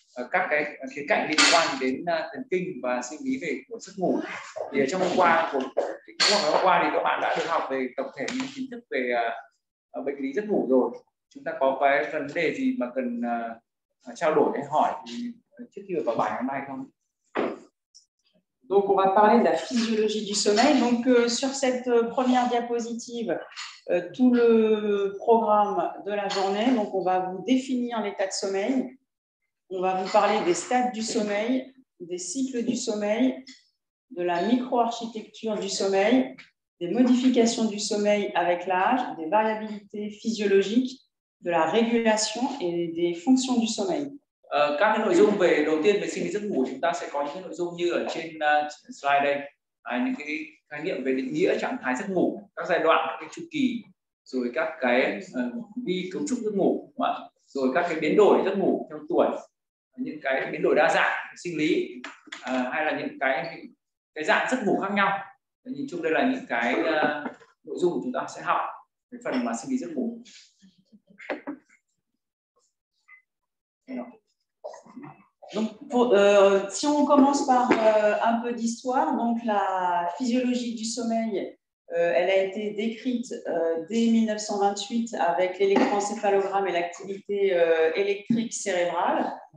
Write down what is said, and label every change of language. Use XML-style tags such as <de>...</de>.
<vi>Các cái khía cạnh liên quan đến thần kinh và sinh lý về của giấc ngủ. Thì trong hôm qua thì các bạn đã được học về tổng thể những kiến thức về bệnh lý giấc ngủ rồi. Chúng ta có cái vấn đề gì mà cần trao đổi hay hỏi thì trước khi vào bài hôm nay không?</vi> <fr>Donc on va parler de la physiologie du sommeil. Donc sur cette première diapositive, tout le programme de la journée. Donc on va vous définir l'état de sommeil. On va vous parler des stades du sommeil, des cycles du sommeil, de la microarchitecture du sommeil, des modifications du sommeil avec l'âge, des variabilités physiologiques, de la régulation et des fonctions du sommeil.</fr> <vi>Các cái nội dung về đầu tiên về sinh lý giấc ngủ, chúng ta sẽ có những nội dung như ở trên slide đây, những cái khái niệm về định nghĩa trạng thái giấc ngủ, các giai đoạn, các cái chu kỳ, rồi các cái vi cấu trúc giấc ngủ, đúng không ạ? Rồi các cái biến đổi giấc ngủ trong tuổi, những cái biến đổi đa dạng sinh lý hay là những cái dạng giấc ngủ khác nhau. Nhìn chung đây là những cái nội dung chúng ta sẽ học về phần mà sinh lý giấc ngủ.</vi> <fr>Donc pour, si on commence par un peu d'histoire, donc la physiologie du sommeil, elle a été décrite dès 1928 avec l'électroencéphalogramme et l'activité électrique cérébrale.</fr>